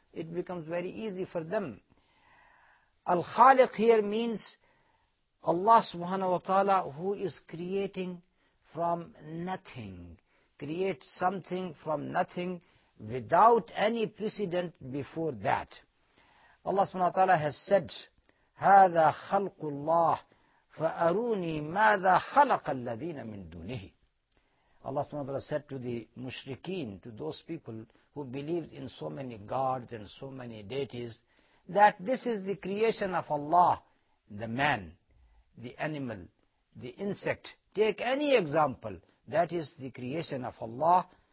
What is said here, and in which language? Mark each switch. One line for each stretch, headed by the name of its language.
English: It becomes very easy for them. Al-Khaliq here means Allah subhanahu wa ta'ala, who is creating from nothing, create something from nothing without any precedent before that. Allah subhanahu wa ta'ala has said,
Arabic: هَذَا خَلْقُ اللَّهِ فَأَرُونِي مَاذَا خَلَقَ الَّذِينَ مِن دُونِهِ.
English: Allah subhanahu wa ta'ala said to the mushrikeen, to those people who believed in so many gods and so many deities, that this is the creation of Allah, the man, the animal, the insect. Take any example, that is the creation of Allah.